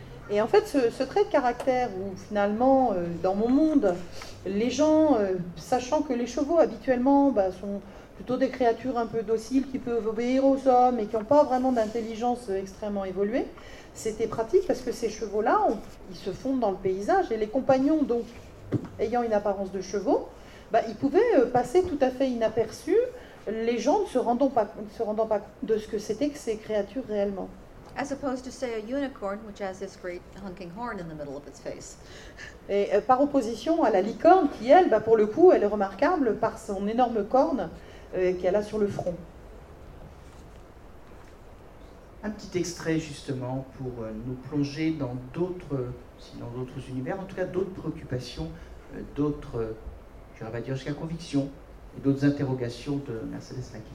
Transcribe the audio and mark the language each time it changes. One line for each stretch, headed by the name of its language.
French: Et en fait, ce trait de caractère où finalement, dans mon monde, les gens, sachant que les chevaux habituellement sont plutôt des créatures un peu dociles qui peuvent obéir aux hommes et qui n'ont pas vraiment d'intelligence extrêmement évoluée, c'était pratique parce que ces chevaux-là, ils se fondent dans le paysage et les compagnons donc ayant une apparence de chevaux, ils pouvaient passer tout à fait inaperçus, les gens ne se rendant pas compte de ce que c'était que ces créatures réellement.
English: as opposed to say a unicorn which has this great honking horn in the middle of its face.
French: Et par opposition à la licorne qui elle bah pour le coup elle est remarquable par son énorme corne qu'elle a sur le front. Un petit extrait justement pour nous plonger dans d'autres sinon d'autres univers, en tout cas d'autres préoccupations, d'autres je vais pas dire jusqu'à conviction et d'autres interrogations de Mercedes Lincky.